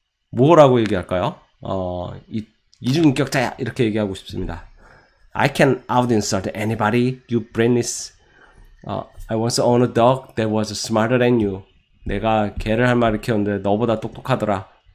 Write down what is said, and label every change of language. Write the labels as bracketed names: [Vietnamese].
[Korean] 뭐라고 얘기할까요? 이중인격자야. 이렇게 얘기하고 싶습니다. [English] I can out insult anybody, you brainless. I once owned a dog that was smarter than you. [Korean] 내가 개를 한 마리 키웠는데 너보다 똑똑하더라.